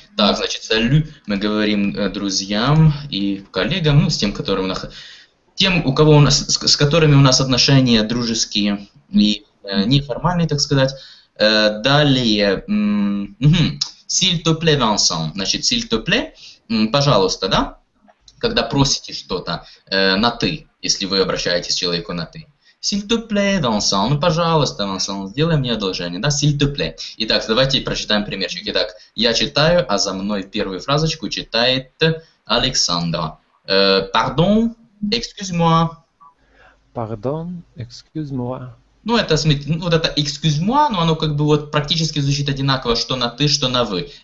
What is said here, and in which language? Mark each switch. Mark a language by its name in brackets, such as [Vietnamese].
[Russian] Так, значит, салю мы говорим друзьям и коллегам, ну, с тем, которым у нас, тем, у кого у нас, с которыми у нас отношения дружеские и неформальные, так сказать. Далее, [French] s'il te plaît, Vincent, [Russian] значит, s'il te plaît, пожалуйста, да, когда просите что-то на «ты», если вы обращаетесь к человеку на «ты». [French] «S'il te plaît, Vincent», [Russian] ну, пожалуйста, Vincent, сделай мне одолжение, да, [French] «s'il te plaît». [Russian] Итак, давайте прочитаем примерчик. Итак, я читаю, а за мной первую фразочку читает Александра. [French] «Pardon, excuse-moi». «Pardon, excuse-moi». [Russian] Ну, это, смотрите, вот это [French] «excuse-moi», [Russian] но оно как бы вот практически звучит одинаково, что на «ты», что на «вы».